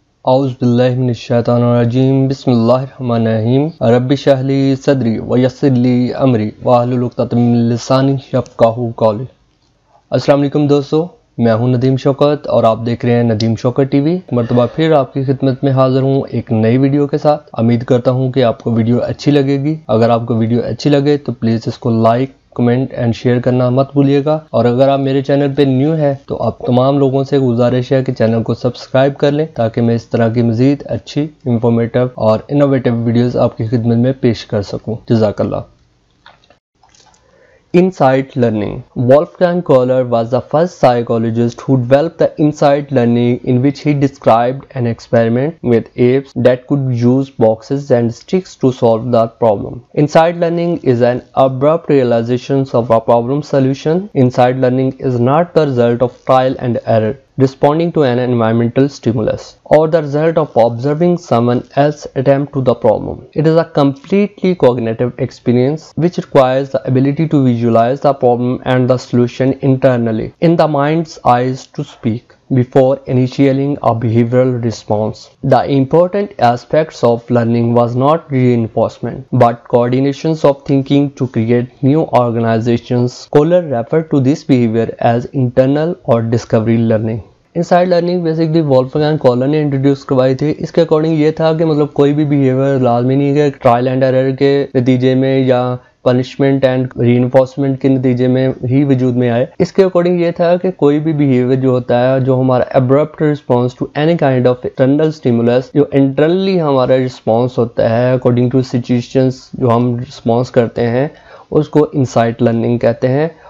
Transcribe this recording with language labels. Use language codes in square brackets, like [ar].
[ar] أعوذ بالله من الشيطان الرجيم بسم الله الرحمن الرحيم رب اشرح لي صدري ويسر لي امري واحلل عقدة من لساني يفقهوا قولي [ur] السلام علیکم دوستو, میں ہوں ندیم شوکت اور آپ دیکھ رہے ہیں ندیم شوکت ٹی وی. مرتبہ پھر آپ کی خدمت میں حاضر ہوں ایک نئی ویڈیو کے ساتھ. امید کرتا ہوں کہ آپ کو ویڈیو اچھی لگے گی. اگر آپ کو ویڈیو اچھی لگے تو پلیز اس کو لائک کمنٹ اینڈ شیئر کرنا مت بھولیے گا. اور اگر آپ میرے چینل پہ نیو ہیں تو آپ تمام لوگوں سے گزارش ہے کہ چینل کو سبسکرائب کر لیں تاکہ میں اس طرح کی مزید اچھی انفارمیٹیو اور انوویٹیو ویڈیوز آپ کی خدمت میں پیش کر سکوں. جزاک اللہ. [en] Insight learning. Wolfgang Kohler was the first psychologist who developed the insight learning, in which he described an experiment with apes that could use boxes and sticks to solve that problem. Insight learning is an abrupt realization of a problem solution. Insight learning is not the result of trial and error, responding to an environmental stimulus, or the result of observing someone else attempt to the problem. It is a completely cognitive experience which requires the ability to visualize the problem and the solution internally, in the mind's eyes to speak, before initiating a behavioral response. The important aspects of learning was not reinforcement, but coordinations of thinking to create new organizations. Kohler referred to this behavior as internal or discovery learning. [ur] Inside learning basically وولفگانگ Kohler نے introduce کروائی تھی. اس کے according یہ تھا کہ مطلب کوئی بھی بیہیویئر لازمی نہیں ہے ٹرائل اینڈ ایرر کے نتیجے میں یا پنشمنٹ اینڈ ری انفورسمنٹ کے نتیجے میں ہی وجود میں آئے. اس کے اکارڈنگ یہ تھا کہ کوئی بھی بیہیویئر جو ہوتا ہے, جو ہمارا [en] abrupt response to any kind of internal stimulus, [ur] جو انٹرنلی ہمارا رسپانس ہوتا ہے [en] according to situations [ur] جو ہم رسپانس کرتے ہیں, اس کو انسائٹ لرننگ کہتے ہیں.